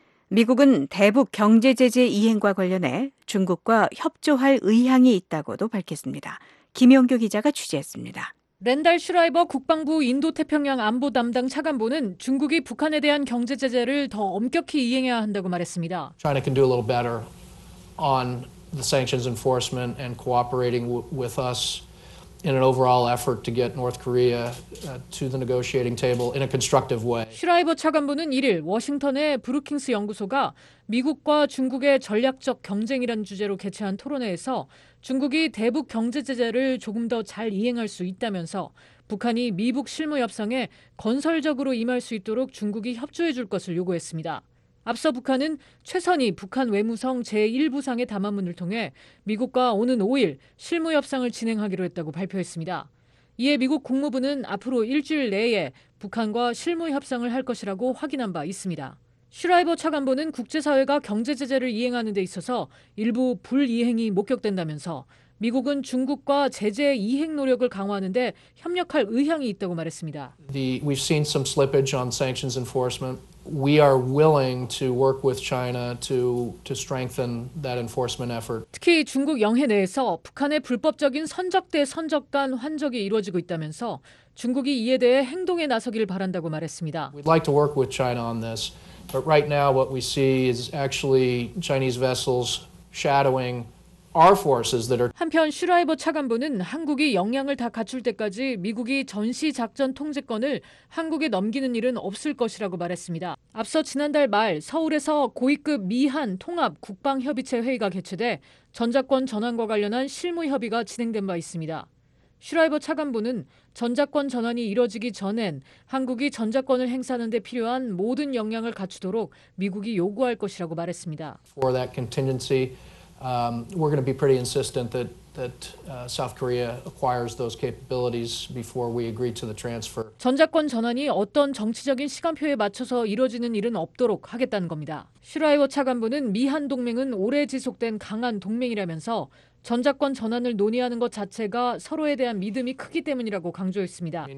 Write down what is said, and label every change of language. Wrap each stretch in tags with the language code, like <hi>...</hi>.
<ko>미국은 대북 경제 제재 이행과 관련해 중국과 협조할 의향이 있다고도 밝혔습니다. 김영규 기자가 취재했습니다. 랜달 슈라이버 국방부 인도태평양 안보 담당 차관보는 중국이 북한에 대한 경제 제재를 더 엄격히 이행해야 한다고 말했습니다.</ko> <en>China can do a little better on the sanctions enforcement and cooperating with us in an overall effort to get North Korea to the negotiating table in a constructive way.</en> <ko>슈라이버 차관보는 1일 워싱턴의 브루킹스 연구소가 미국과 중국의 전략적 경쟁이라는 주제로 개최한 토론회에서 중국이 대북 경제 제재를 조금 더 잘 이행할 수 있다면서 북한이 미북 실무 협상에 건설적으로 임할 수 있도록 중국이 협조해 줄 것을 요구했습니다. 앞서 북한은 최선희 북한 외무성 제1부상의 담화문을 통해 미국과 오는 5일 실무협상을 진행하기로 했다고 발표했습니다. 이에 미국 국무부는 앞으로 일주일 내에 북한과 실무협상을 할 것이라고 확인한 바 있습니다. 슈라이버 차관보는 국제사회가 경제 제재를 이행하는 데 있어서 일부 불이행이 목격된다면서 미국은 중국과 제재 이행 노력을 강화하는 데 협력할 의향이 있다고 말했습니다.</ko> <en>We've seen some slippage on sanctions enforcement. We are willing to work with China to strengthen that enforcement effort.</en> <ko>특히 중국 영해 내에서 북한의 불법적인 선적대 선적 간 환적이 이루어지고 있다면서 중국이 이에 대해 행동에 나서길 바란다고 말했습니다.</ko> <en>We'd like to work with China on this. But right now what we see is actually Chinese vessels shadowing our forces that are</en> <ko>한편 슈라이버 차관보는 한국이 역량을 다 갖출 때까지 미국이 전시 작전 통제권을 한국에 넘기는 일은 없을 것이라고 말했습니다. 앞서 지난달 말 서울에서 고위급 미한 통합 국방 협의체 회의가 개최돼 전작권 전환과 관련한 실무 협의가 진행된 바 있습니다. 슈라이버 차관보는 전작권 전환이 이뤄지기 전엔 한국이 전작권을 행사하는 데 필요한 모든 역량을 갖추도록 미국이 요구할 것이라고 말했습니다.</ko> <en>For that contingency, we're going to be pretty insistent that South Korea acquires those capabilities before we agree to the transfer.</en> <ko>전작권 전환이 어떤 정치적인 시간표에 맞춰서 이뤄지는 일은 없도록 하겠다는 겁니다. 슈라이버 차관보는 미한 동맹은 오래 지속된 강한 동맹이라면서 전작권 전환을 논의하는 것 자체가 서로에 대한 믿음이 크기 때문이라고 강조했습니다.</ko>